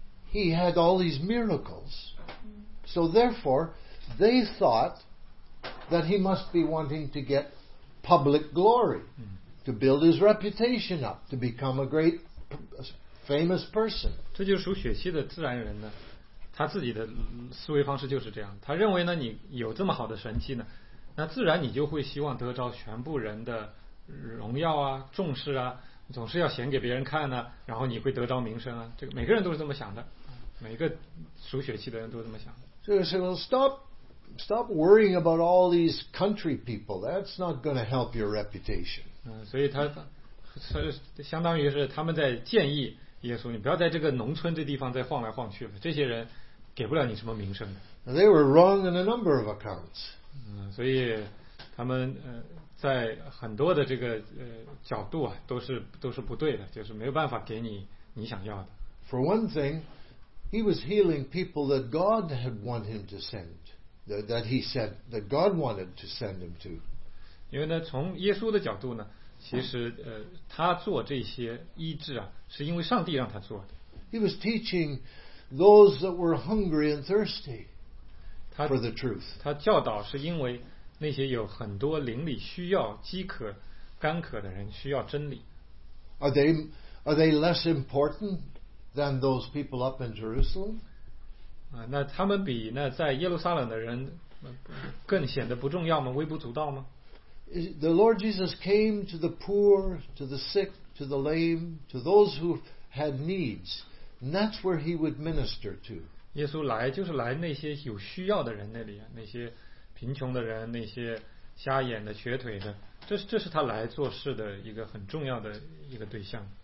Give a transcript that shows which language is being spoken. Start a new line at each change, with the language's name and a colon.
English: He had all these miracles. So therefore, they thought that he must be wanting to get public glory, to build his reputation up, to become a great famous person.
Chinese: 这就是属血气的自然人呢，他自己的思维方式就是这样。他认为呢，你有这么好的神迹呢，那自然你就会希望得着全部人的荣耀啊，重视啊，总是要显给别人看呢，然后你会得到名声啊。这个每个人都是这么想的，每个属血气的人都这么想的。
English: So he said, "Well, stop worrying about all these country people. That's not going to help your reputation."
Chinese: 所以他相当于是他们在建议耶稣，你不要在这个农村这地方再晃来晃去了，这些人给不了你什么名声的。
English: Now, they were wrong on a number of accounts.
Chinese: 所以他们在很多的这个角度啊，都是不对的，就是没有办法给你想要的。
English: For one thing, he was healing people that God had wanted him to send, that he said that God wanted to send him to.
Chinese: 因为呢，从耶稣的角度呢，其实他做这些医治啊，是因为上帝让他做的。
English: He was teaching those that were hungry and thirsty for the truth.
Chinese: 他教导是因为那些有很多灵里需要饥渴干渴的人需要真理。
English: Are they less important than those people up in Jerusalem?
Chinese: 那他们比那在耶路撒冷的人更显得不重要吗，微不足道吗？
English: The Lord Jesus came to the poor, to the sick, to the lame, to those who had needs, and that's where he would minister to.
Chinese: 耶稣来就是来那些有需要的人那里，那些贫穷的人，那些瞎眼的、瘸腿的，这是他来做事的一个很重要的一个对象。